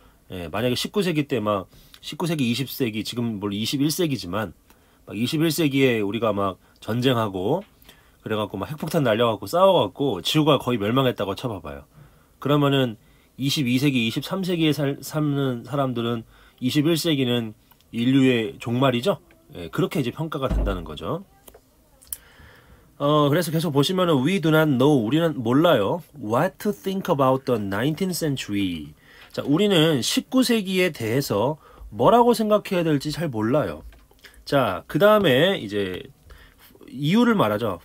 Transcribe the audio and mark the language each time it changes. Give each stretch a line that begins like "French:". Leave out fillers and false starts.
Korean: 예, 만약에 19세기 때막 19세기, 20세기, 지금 뭘 21세기지만, 막 21세기에 우리가 막 전쟁하고, 그래갖고 막 핵폭탄 날려갖고 싸워갖고, 지구가 거의 멸망했다고 쳐봐봐요. 그러면은 22세기, 23세기에 삶는 사람들은 21세기는 인류의 종말이죠? 그렇게 이제 평가가 된다는 거죠. 그래서 계속 보시면은
English: We do not know,
Korean: 우리는 몰라요.
English: What to think about the 19th century.
Korean: 자, 우리는 19세기에 대해서 뭐라고 생각해야 될지 잘 몰라요. 자, 그 다음에 이제 이유를 말하죠.